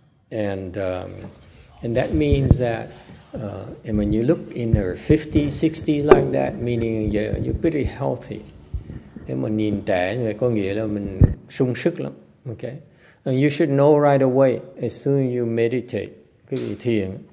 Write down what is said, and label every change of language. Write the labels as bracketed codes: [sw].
[en] And that means that and when you look in her 50s, 60s like that, meaning you're pretty healthy. [vi] Nếu mà nhìn trẻ thì có nghĩa là mình sung sức lắm. [en] Okay. And you should know right away as soon as you meditate, [vi] cái vị thiền.